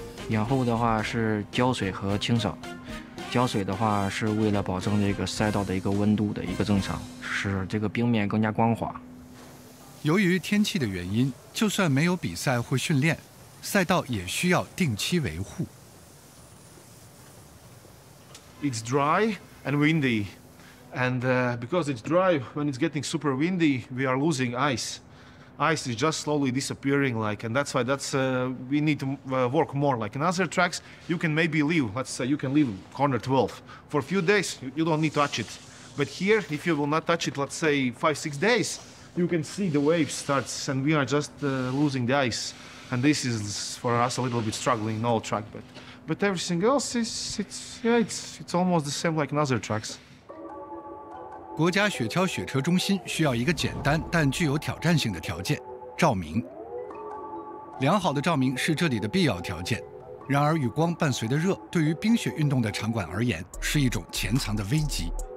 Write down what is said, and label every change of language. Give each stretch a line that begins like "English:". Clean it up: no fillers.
Chinese: 养护的话是浇水和清扫，浇水的话是为了保证这个赛道的一个温度的一个正常，使这个冰面更加光滑。由于天气的原因，就算没有比赛或训练，赛道也需要定期维护。
English: It's dry and windy, and because it's dry, when it's getting super windy, we are losing ice. Ice is just slowly disappearing, like, and that's why that's, we need to work more. Like in other tracks, you can maybe leave, let's say you can leave corner 12 for a few days, you don't need to touch it. But here, if you will not touch it, let's say 5-6 days, you can see the wave starts and we are just losing the ice. And this is for us a little bit struggling in all track, but everything else is, it's almost the same like in other tracks.
Chinese: 国家雪橇雪车中心需要一个简单但具有挑战性的条件，照明。良好的照明是这里的必要条件，然而与光伴随的热对于冰雪运动的场馆而言是一种潜藏的危机。